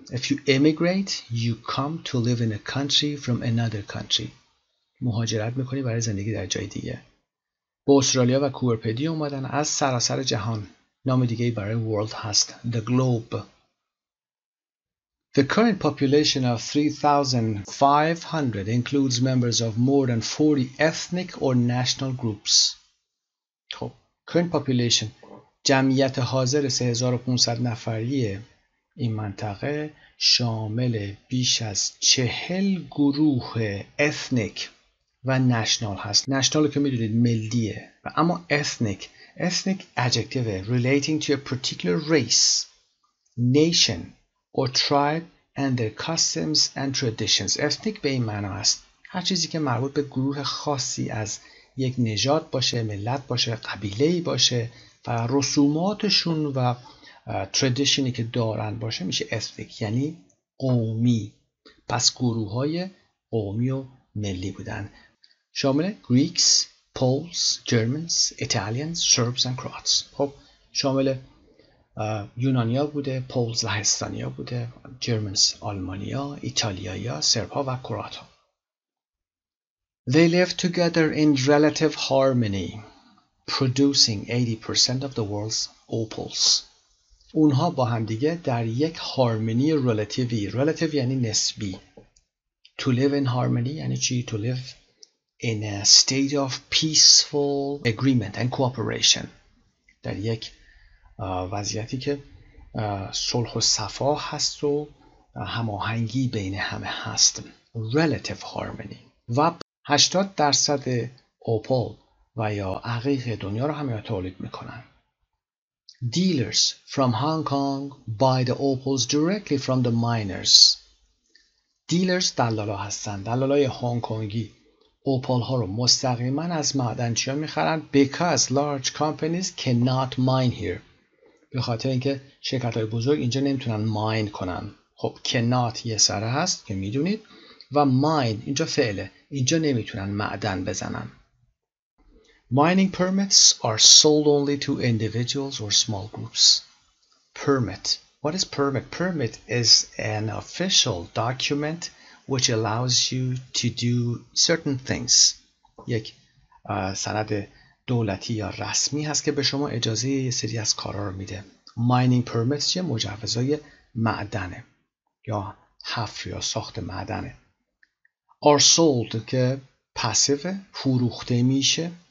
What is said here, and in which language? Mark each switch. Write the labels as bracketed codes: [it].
[en] If you emigrate, you come to live in a country from another country. [fa] مهاجرت میکنی برای زندگی در جای دیگه. با استرالیا و کوبرپدی اومدن از سراسر جهان. نام دیگه برای world هست. [en] The globe. The current population of 3,500 includes members of more than 40 ethnic or national groups. [fa] خب، current population جمعیت حاضر 3500 نفری این منطقه شامل بیش از 40 گروه ethnic و national هست. [en] National [fa] که میدونید ملیه و اما [en] ethnic. Ethnic adjective relating to a particular race, nation or tribe. And their customs and traditions. Ethnic [fa] به این معنا است. هر چیزی که مربوط به گروه خاصی از یک نژاد باشه، ملت باشه، قبیله‌ای باشه و رسوماتشون و traditionی که دارن باشه میشه ethnic یعنی قومی. پس گروه های قومی و ملی بودن. [en] شامل Greeks, Poles, Germans, Italians, Serbs and Croats. [fa] خب شامل یونانیا بوده، پولز لهستانیا بوده، جرمنز آلمانیا، ایتالیایا، سرپا و کرواتا. [en] They live together in relative harmony, producing 80% of the world's opals. [fa] اونها با هم دیگه در یک هارمونی رلاتیوی، رلاتیو یعنی نسبی. [en] To live in harmony [fa] یعنی چی؟ [en] To live in a state of peaceful agreement and cooperation. [fa] در یک وضعیتی که صلح و صفا هست و هماهنگی بین همه هست. [en] Relative harmony. [fa] و 80% اوپال و یا عقیق دنیا رو همه تولید میکنن. [en] Dealers from Hong Kong buy the opals directly from the miners. [fa] Dealers دلالا هستن. دلالای هنگ کنگی اوپال ها رو مستقیمن از معدنچی ها میخرن. [en] Because large companies cannot mine here. [fa] به خاطر اینکه شرکت های بزرگ اینجا نمیتونن ماین کنن. خب cannot یه سره هست که میدونید. و mine اینجا فعله. اینجا نمیتونن معدن بزنن. [en] Mining permits are sold only to individuals or small groups. Permit. What is permit? Permit is an official document which allows you to do certain things. [fa] یک سند دولتی یا رسمی هست که به شما اجازه یه سری از کارا رو میده. Mining permits یه مجوزای معدنه یا حفر یا ساخت معدنه. [en] Are sold [fa] که پسیوه، فروخته میشه.